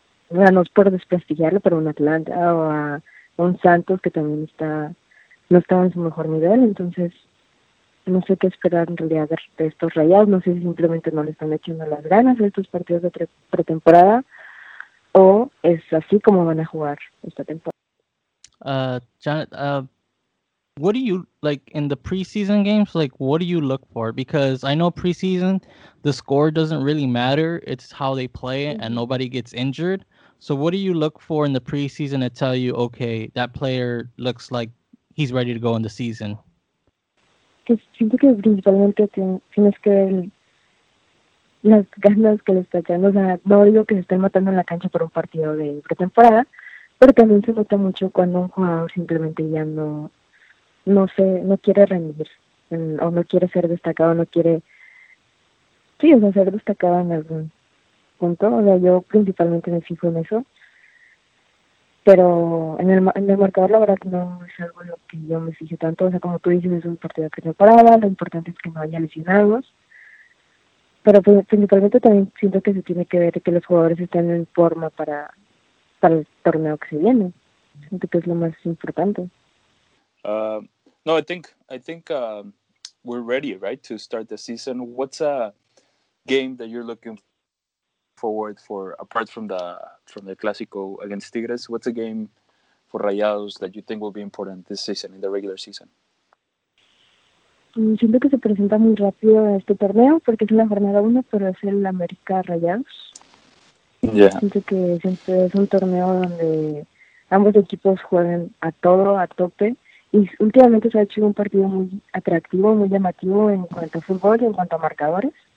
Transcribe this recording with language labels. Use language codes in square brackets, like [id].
[es] no es por desprestigiarlo, pero un Atlanta o a un Santos que también está no estaba en su mejor nivel, entonces no sé qué esperar en realidad de estos Rayados, no sé si simplemente no le están echando las ganas de estos partidos de pretemporada, o es así como van a jugar esta temporada. [en] Janet, what do you, like, in the preseason games, like, what do you look for? Because I know preseason, the score doesn't really matter. It's how they play and nobody gets injured. So what do you look for in the preseason to tell you, okay, that player looks like he's ready to go in the season? [es] Pues siento que principalmente tienes que ver las ganas que le está echando. O sea, no digo que se estén matando en la cancha por un partido de pretemporada, pero también se nota mucho cuando un jugador simplemente ya no quiere rendir, o no quiere ser destacado, no quiere, sí, o sea, ser destacado en algún punto. O sea, yo principalmente me fijo en eso. Pero en el marcador, la verdad, no es algo en lo que yo me fijo tanto. O sea, como tú dices, es un partido que no paraba, lo importante es que no haya lesionados. Pero pues, principalmente también siento que se tiene que ver que los jugadores estén en forma para el torneo que se viene. Siento que es lo más importante. [en] No, I think we're ready, right, to start the season. What's a game that you're looking forward for, apart from the Clásico against Tigres? What's a game for Rayados that you think will be important this season, in the regular season? [es] Siento que se presenta muy rápido este torneo, porque es la jornada 1, pero es el América Rayados. [en] Yeah. [es] Siento que siempre es un torneo donde ambos equipos juegan a todo, a tope. Y últimamente se ha hecho un partido muy atractivo, muy llamativo en cuanto a fútbol y en cuanto a marcadores.